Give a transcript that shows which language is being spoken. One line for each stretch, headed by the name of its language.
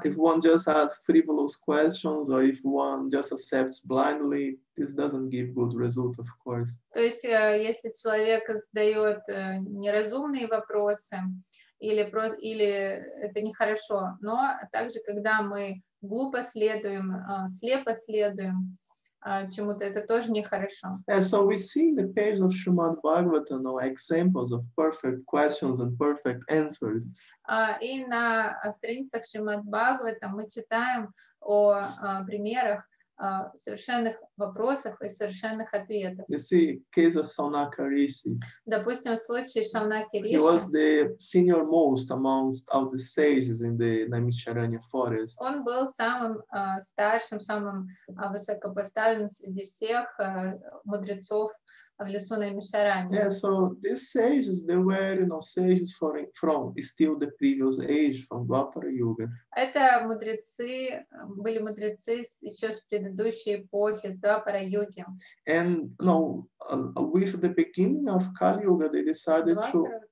English: If one just asks frivolous questions or if one just accepts blindly, this doesn't give good result, of course.
Russian: То есть если человек задает неразумные вопросы, или просто, или это нехорошо, но также когда мы глупо следуем, слепо следуем чему-то, это тоже нехорошо.
English: And so we see in the pages of Srimad Bhagavatam, you know, examples of perfect questions and perfect answers.
Russian: И на страницах Шримад Бхагаватам мы читаем о примерах совершенных вопросах и совершенных ответах.
English: You see, case of Shaunaka Rishi.
Russian: Допустим, в случае Шаунаки Риши.
English: He was the senior most amongst all the sages in the Naimisharanya forest.
Russian: Он был самым старшим, самым высокопоставленным среди всех мудрецов в лесу Наймишарани.
English: Yeah, so these sages, they were, you know, sages from still the previous age, from Dwapara Yuga.
Russian: Это мудрецы, были мудрецы еще с предыдущей эпохи, с Двапара Юги.
English: And, you know, with the beginning of Kali Yuga, they decided to...